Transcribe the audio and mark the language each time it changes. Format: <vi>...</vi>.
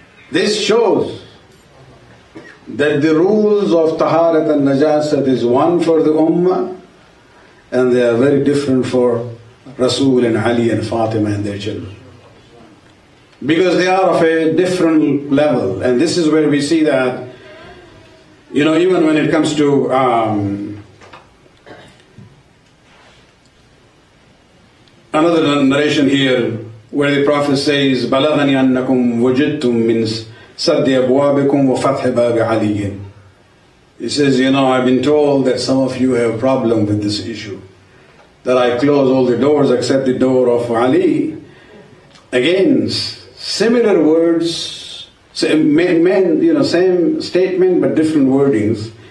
<en>This shows that the rules of taharat and najasat is one for the ummah and they are very different for Rasul and Ali and Fatima and their children. Because they are of a different level, and this is where we see that, you know, even when it comes to Another narration here where the Prophet says,</en> <ar>بَلَغَنِي أَنَّكُمْ وَجِدْتُمْ مِنْ سَرْدِ أَبْوَابِكُمْ وَفَتْحِ بَابِ عَلِيٍّ.</ar> <en>He says, you know, I've been told that some of you have a problem with this issue, that I close all the doors except the door of Ali. Again, similar words, same statement but different wordings.</en>